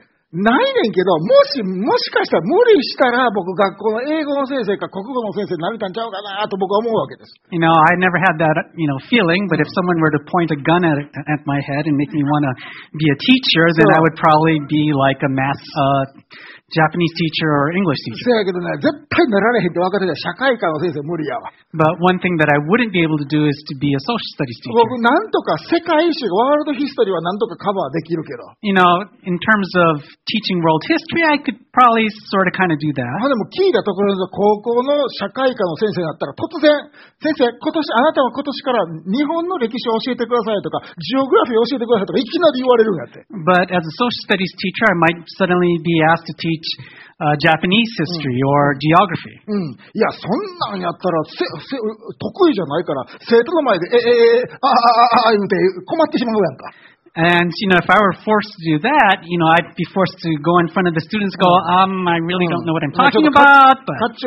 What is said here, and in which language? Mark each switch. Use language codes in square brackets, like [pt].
[ja] ないねんけど、もしかしたら無理したら僕学校の英語の先生か国語の先生になれたんちゃうかなと僕は思うわけです。 [en] You know, I never had that, feeling, but if someone were to point a gun at my head and make me want to be a teacher, then I would probably be like a math, Japanese teacher or English teacher. [ja] せやけどね、絶対なられへんって分かってた社会科の先生無理やわ。 [en] But one thing that I wouldn't be able to do is to be a social studies teacher. [ja] 僕なんとか世界史、ワールドヒストリーはなんとかカバーできるけど。 [en] You know, in terms ofteaching world history, I could probably sort of kind of do that. [ja] でも聞いたところで高校の社会科の先生だったら突然先生今年あなたは今年から日本の歴史を教えてくださいとかジオグラフィーを教えてくださいとかいきなり言われるんやって。 [en] But as a social studies teacher, I might suddenly be asked to teach, Japanese history or geography. [ja] いやそんなんやったら得意じゃないから生徒の前でああ言うて困ってしまうやんか。 [en] And, you know, if I were forced to do that, you know, I'd be forced to go in front of the students and go, I really don't know what I'm talking about. But...